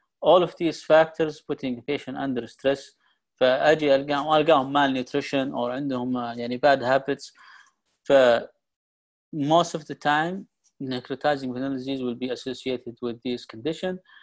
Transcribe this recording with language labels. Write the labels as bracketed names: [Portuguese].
[English] All of these factors putting patient under stress. [Arabic] فأجي ألقاهم مال نيوتريشن أو عندهم يعني [English] bad habits. ف most of the time necrotizing periodontal disease will be associated with this condition.